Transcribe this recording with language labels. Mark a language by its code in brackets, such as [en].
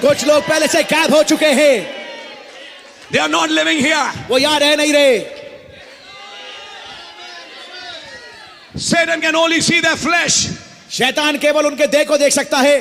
[hi] कुछ लोग पहले से गायब हो चुके हैं. [en] They are not living here. [hi] वो यहाँ रह नहीं रहे. [en] Satan can only see their flesh. [hi] शैतान केवल उनके देह को देख सकता है.